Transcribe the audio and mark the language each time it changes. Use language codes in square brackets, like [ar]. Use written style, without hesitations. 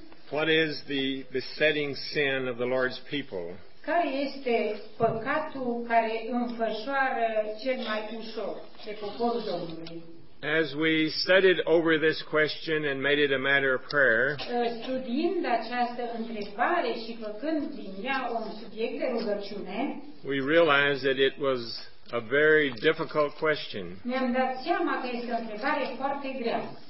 [en] What is the besetting sin of the Lord's people? [ro] Care este păcatul care înfășoară cel mai ușor de poporul Domnului? [en] As we studied over this question and made it a matter of prayer, [ro] studiind această întrebare și făcând din ea un subiect de rugăciune, [en] we realized that it was a very difficult question. [ro] Ne-am dat seama că este o întrebare foarte grea.